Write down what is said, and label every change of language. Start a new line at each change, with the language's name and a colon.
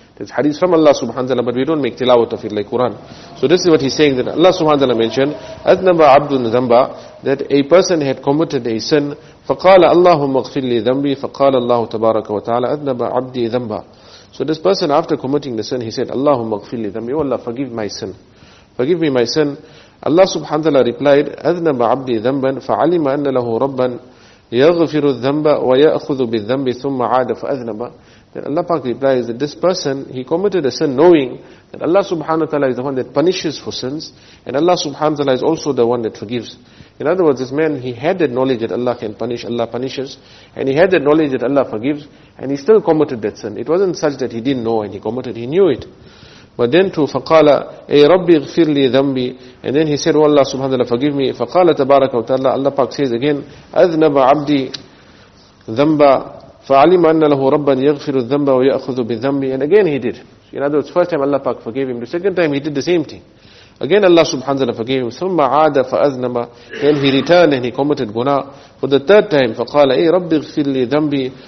English: That's hadith from Allah subhanahu wa ta'ala, but we don't make tilawat of it like Quran. So this is what he's saying, that Allah subhanahu wa ta'ala mentioned,
Arabic: أَذْنَبَ عَبْدُ ذَنْبَ,
English: that a person had committed a sin.
Arabic: فَقَالَ اللَّهُمَّ اغْفِرْ لِي ذَنْبِي فَقَالَ اللَّهُ تَبَارَكَ وَتَعَالَى أَذْنَبَ عَبْدِي ذَنْبَ.
English: So this person, after committing the sin, he said,
Arabic: اللَّهُمَّ اغْفِرْ لِي ذَنْبِي,
English: Allah, forgive my sin. Forgive me my sin. Allah subhanahu wa ta'ala replied,
Arabic: أَذْنَبَ عَبْدِي ذَنْبًا فَعَلِمَ أَنَّ لَهُ رَبًّا يغفر الذنب ويأخذ بالذنب ثم عاد فأذنب.
English: Then Allah Pak replies that this person, he committed a sin knowing that Allah subhanahu wa ta'ala is the one that punishes for sins, and Allah subhanahu wa ta'ala is also the one that forgives. In other words, this man, he had that knowledge that Allah can punish, Allah punishes, and he had that knowledge that Allah forgives, and he still committed that sin. It wasn't such that he didn't know and he committed, he knew it. But then to
Arabic: فَقَالَ أَيْ رَبِّ اغْفِرْ لِي ذَنْبِي.
English: And then he said, oh Allah subhanahu wa ta'ala, forgive me.
Arabic: فَقَالَ تَبَارَكَ وَتَعَالَى.
English: Allah Pak says again,
Arabic: أَذْنَبَ عَبْدِي ذَنْبَ فَعَلِمَ أَنَّ لَهُ رَبًّا يَغْفِرُ الذَّنْبَ وَيَأْخُذُ بِالذَّنْبِ.
English: And again he did. In other words, first time Allah Pak forgave him. The second time he did the same thing. Again Allah subhanahu wa ta'ala forgave him.
Arabic: ثُمَّ عَادَ فَأَذْنَبَ.
English: Then he returned and he committed guna. For the third time,
Arabic: فَقَالَ أَيْ رَبِّ اغْفِرْ لِي ذَنْبِي.